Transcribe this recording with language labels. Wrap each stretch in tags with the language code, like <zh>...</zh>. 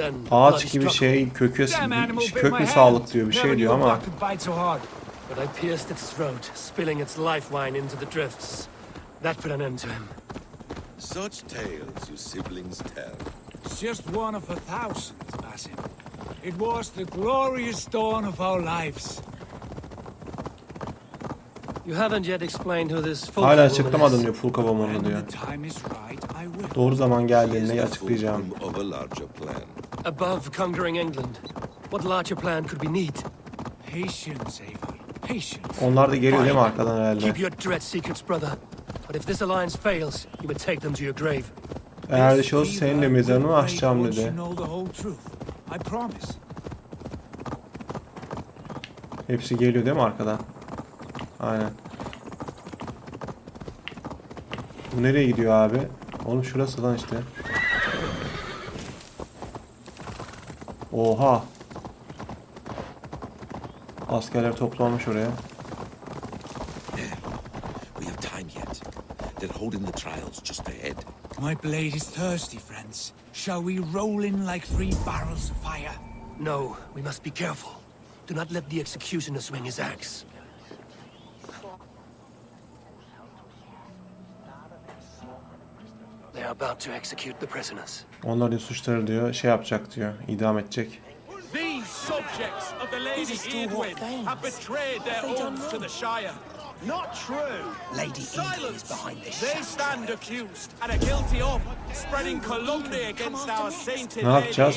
<tr>Ağaç gibi şey, kökü sağlık diyor, bir şey diyor ama.</tr> <en>But I pierced its throat, spilling its lifeline into the drifts. That put an end to him. Such tales you siblings tell. It's just one of a thousand, Basim. It was the glorious dawn of our lives. You haven't yet explained who this fool woman is.</en> <tr>Hala açıklamadım diyor, fulka bomonu diyor. Doğru zaman geldiğinde açıklayacağım.</tr> <en>Of a larger plan. Above conquering England, what larger plan could be need? Patience, Ava.</en> <tr>Onlar da geliyor değil mi arkadan herhalde?</tr> <en>Keep your dread secrets, brother. But if this alliance fails, you will take them to your grave.</en> <tr>Eğer de şey olsa senin de mezarını açacağım dedi. Hepsi geliyor değil mi arkadan? Aynen. Bu nereye gidiyor abi? Oğlum şurası lan işte. Oha. Askerler toplanmış oraya.</tr> <en>We have time yet. They're holding the trials just ahead. My blade is thirsty, friends. Shall we roll in like three barrels of fire? No, we must be careful. Do not let the executioner swing his axe. They are about to execute the prisoners.</en> <tr>Onlar da suçları diyor, şey yapacak diyor, idam edecek.</tr> <en>These subjects of the Lady Eadwyn have betrayed their oaths to the Shire. Not true. Lady Eadwyn is behind this. They stand accused and are guilty of spreading calumny against our sainted Lady Eadwyn.</en> <tr>Ne yapacağız?</tr>